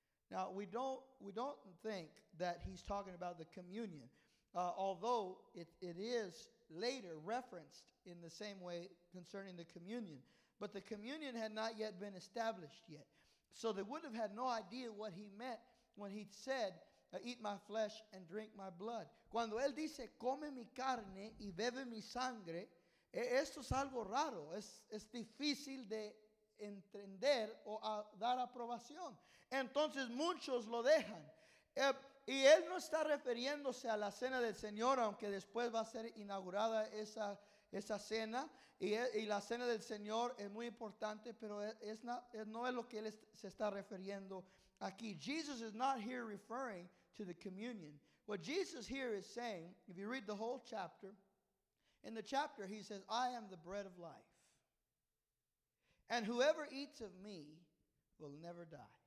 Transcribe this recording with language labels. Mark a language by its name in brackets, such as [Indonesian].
[English] Now, we don't think that he's talking about the communion, although it is later referenced in the same way concerning the communion. But the communion had not yet been established yet. So they would have had no idea what he meant when he said, eat my flesh and drink my blood. [Spanish] Cuando él dice, come mi carne y bebe mi sangre, esto es algo raro. Es difícil de entender o a dar aprobación. Entonces muchos lo dejan. Y él no está refiriéndose a la cena del Señor, aunque después va a ser inaugurada esa cena. Y la cena del Señor es muy importante, pero no es lo que él se está refiriendo aquí. [English] Jesus is not here referring to the communion. What Jesus here is saying, if you read the whole chapter, in the chapter he says, I am the bread of life. And whoever eats of me will never die.